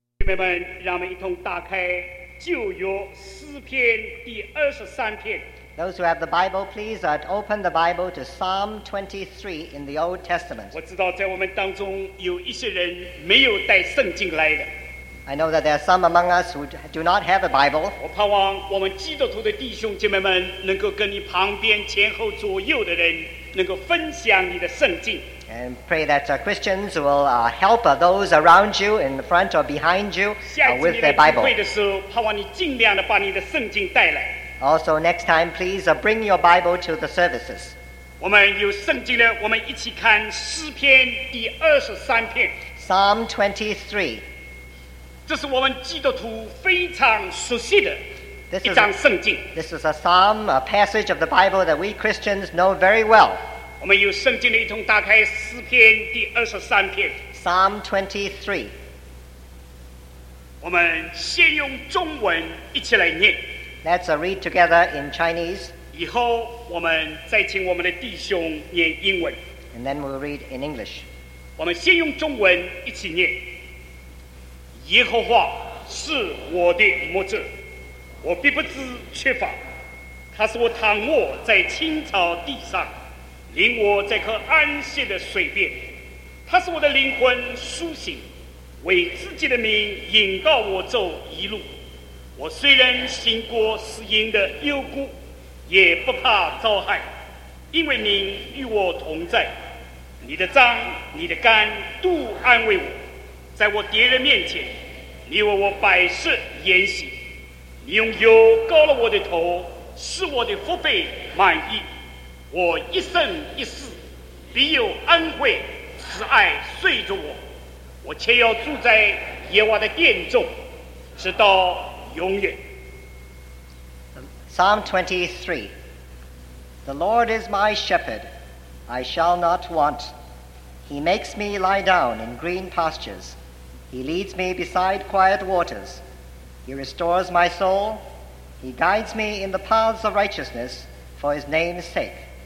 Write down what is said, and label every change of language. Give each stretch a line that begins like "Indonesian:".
Chinese: 辈们，让我们一同打开旧约诗篇第二十三篇。
English: Those who have the Bible, please open the Bible to Psalm 23 in the Old Testament.
Chinese: 我知道在我们当中有一些人没有带圣经来的。
English: I know that there are some among us who do not have a Bible.
Chinese: 我盼望我们基督徒的弟兄姐妹们能够跟你旁边前后左右的人能够分享你的圣经。
English: And pray that Christians will help those around you in the front or behind you with their Bible.
Chinese: 下一次你来聚会的时候，盼望你尽量的把你的圣经带来。
English: Also, next time, please bring your Bible to the services.
Chinese: 我们有圣经了，我们一起看诗篇第二十三篇。
English: Psalm 23.
Chinese: 这是我们基督徒非常熟悉的一张圣经。
English: This is a psalm, a passage of the Bible that we Christians know very well.
Chinese: 我们有圣经了，一同打开诗篇第二十三篇。
English: Psalm 23.
Chinese: 我们先用中文一起来念。
English: Let's read together in Chinese.
Chinese: 以后我们再请我们的弟兄念英文。
English: And then we'll read in English.
Chinese: 我们先用中文一起念。耶和华是我的牧者，我必不知缺乏。他使我躺卧在青草地上，领我在可安歇的水边。他使我的灵魂苏醒，为自己的名引导我走一路。我虽然行过死荫的幽谷，也不怕遭害，因为您与我同在。你的杖、你的竿都安慰我，在我敌人面前，你为我摆设筵席。你用油膏了我的头，使我的福杯满溢。我一生一世，必有恩惠慈爱随着我。我且要住在耶和华的殿中，直到。
English: Psalm 23. The Lord is my shepherd, I shall not want. He makes me lie down in green pastures. He leads me beside quiet waters. He restores my soul. He guides me in the paths of righteousness for his name's sake.